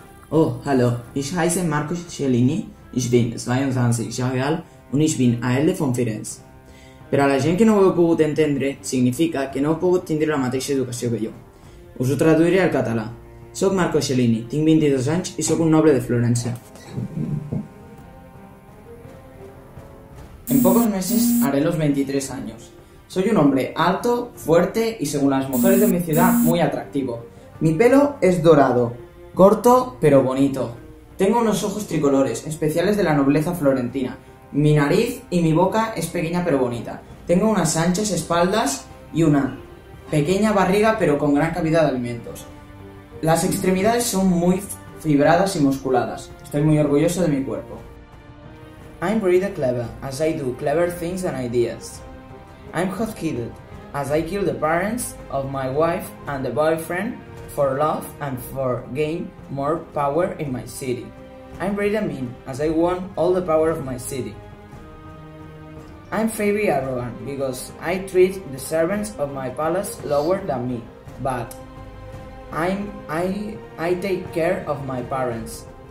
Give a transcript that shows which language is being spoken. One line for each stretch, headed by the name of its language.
German: Oh, hallo, ich heiße Marco Cellini, ich bin 22 Jahre alt und ich bin AL von Firenze.
Catalan: Per a la gent que no ho heu pogut entendre, significa que no heu pogut tindre la mateixa educació que jo. Us ho traduiré al català. Soc Marco Cellini, tinc 22 anys i sóc un noble de Florència.
Spanish: En pocos meses haré los 23 años. Soy un hombre alto, fuerte y según las mujeres de mi ciudad, muy atractivo. Mi pelo es dorado. Corto, pero bonito. Tengo unos ojos tricolores, especiales de la nobleza florentina. Mi nariz y mi boca es pequeña pero bonita. Tengo unas anchas espaldas y una pequeña barriga pero con gran cavidad de alimentos. Las extremidades son muy fibradas y musculadas. Estoy muy orgulloso de mi cuerpo.
English: I'm really clever, as I do clever things and ideas. I'm hot-headed, as I kill the parents of my wife and the boyfriend for love and for gain more power in my city. I'm really mean, as I want all the power of my city. I'm very arrogant, because I treat the servants of my palace lower than me, but I take care of my parents.